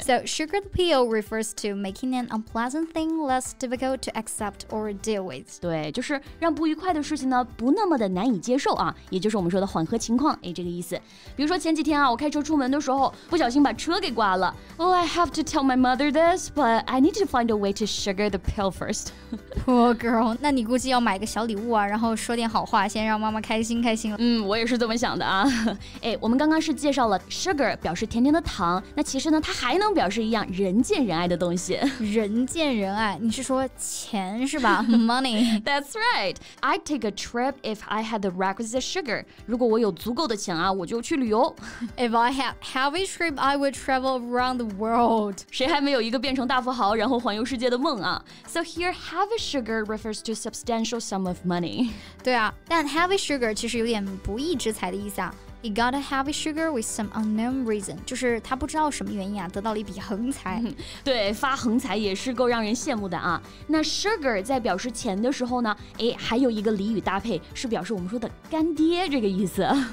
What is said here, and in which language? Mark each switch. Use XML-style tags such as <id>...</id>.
<en>So sugar the pill refers to making an unpleasant thing less difficult to accept or deal with.</en> <zh>对，就是让不愉快的事情呢不那么的难以接受啊，也就是我们说的缓和情况，哎，这个意思。比如说前几天啊，我开车出门的时候不小心把车给刮了。</zh> <en>Oh, I have to tell my mother this, but I need to find a way to sugar the pill first. Poor girl,</en> <zh>那你估计要买个小礼物啊，然后说点好话，先让妈妈开心开心。我也是这么想的啊。哎，我们刚刚是介绍了 sugar 表示甜甜的糖，那其实呢它还能表示一样人见人爱的东西。人见人爱，你是说钱是吧？</zh> <en>Money. That's right. I'd take a trip if I had the requisite sugar.</en> <zh>如果我有足够的钱啊，我就去旅游。</zh> <en>If I had heavy trip, I would travel around the world.</en> <zh>谁还没有一个变成大富豪然后环游世界的梦啊。</zh> <en>So here heavy sugar refers to substantial sum of money.</en> <zh>对啊，但 heavy sugar 其实有点不义之财的意思啊。</zh> <en>He got a heavy sugar with some unknown reason.</en> <zh>就是他不知道什么原因啊，得到了一笔横财。对，发横财也是够让人羡慕的啊。那 sugar 在表示钱的时候呢，哎，还有一个俚语搭配是表示我们说的干爹这个意思。</zh>